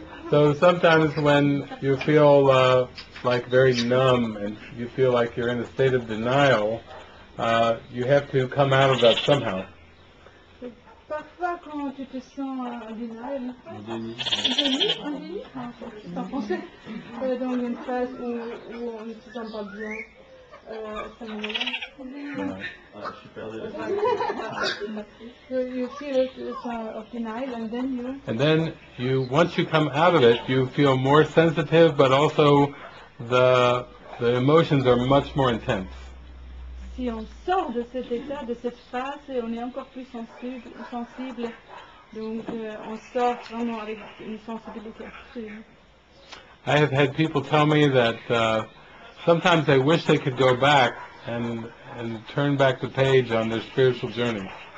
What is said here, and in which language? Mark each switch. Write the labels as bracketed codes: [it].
[en] So sometimes when you feel like very numb and you feel like you're in a state of denial, you have to come out of that somehow. [fr] parfois quand tu te sens en déni, dans une phase où on ne se sent pas bien. [en] And then you, once you come out of it, you feel more sensitive, but also the emotions are much more intense. [fr] Si on sort de cet état, de cette phase, on est encore plus sensible. Donc on sort vraiment avec une sensibilité accrue. [en] I have had people tell me that. Sometimes they wish they could go back and turn back the page on their spiritual journey.